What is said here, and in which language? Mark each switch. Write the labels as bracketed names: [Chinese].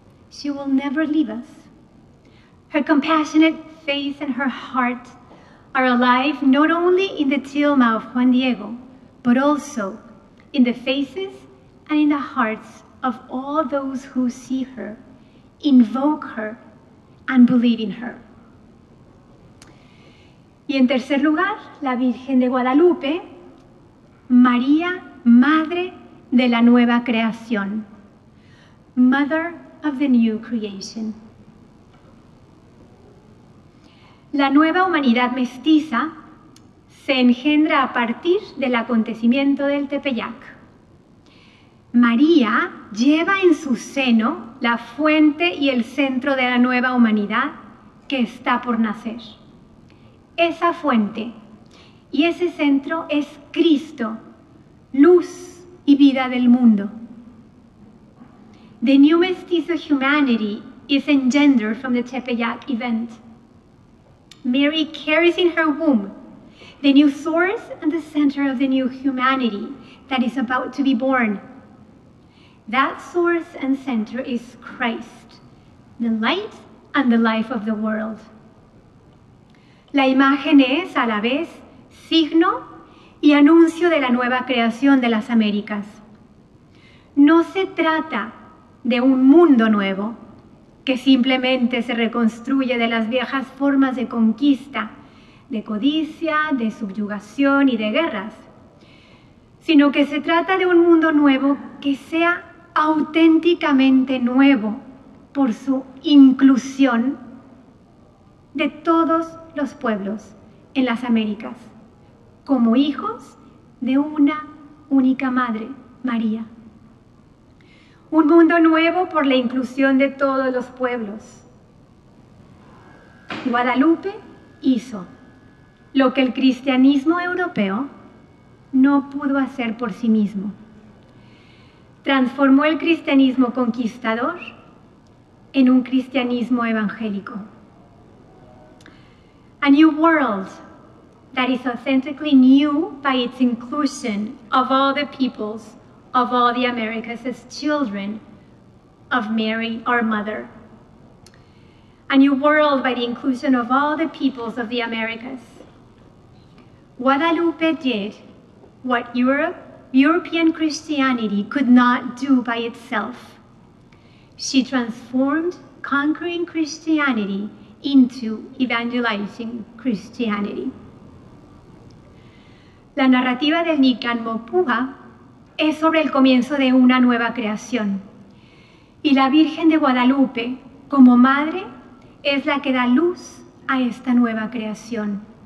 [English] She will never leave us. Her compassionate face and her heart are alive not only in the tilma of Juan Diego, but also in the faces and in the hearts of all those who see her, invoke her, and believe in her. [Spanish] Y en tercer lugar, la Virgen de Guadalupe, María, Madre de la Nueva Creación. [English] Mother of the New Creation. [Spanish] La nueva humanidad mestiza se engendra a partir del acontecimiento del Tepeyac. María lleva en su seno la fuente y el centro de la nueva humanidad que está por nacer. Esa fuente y ese centro es Cristo, luz y vida del mundo. [English] The new mestizo humanity is engendered from the Tepeyac event. Mary carries in her womb the new source and the center of the new humanity that is about to be born. That source and center is Christ, the light and the life of the world. [Spanish] La imagen es, a la vez, signo y anuncio de la nueva creación de las Américas. No se trata de un mundo nuevo que simplemente se reconstruye de las viejas formas de conquista, de codicia, de subyugación y de guerras, sino que se trata de un mundo nuevo que sea auténticamente nuevo por su inclusión de todos los pueblos en las Américas, como hijos de una única madre, María. Un mundo nuevo por la inclusión de todos los pueblos. Guadalupe hizo lo que el cristianismo europeo no pudo hacer por sí mismo. Transformó el cristianismo conquistador en un cristianismo evangélico. [English] A new world that is authentically new by its inclusion of all the peoples of all the Americas as children of Mary, our mother. A new world by the inclusion of all the peoples of the Americas. Guadalupe did what European Christianity could not do by itself. She transformed conquering Christianity into evangelizing Christianity. [Spanish] La narrativa del Nican Mopuja es sobre el comienzo de una nueva creación. Y la Virgen de Guadalupe, como madre, es la que da luz a esta nueva creación.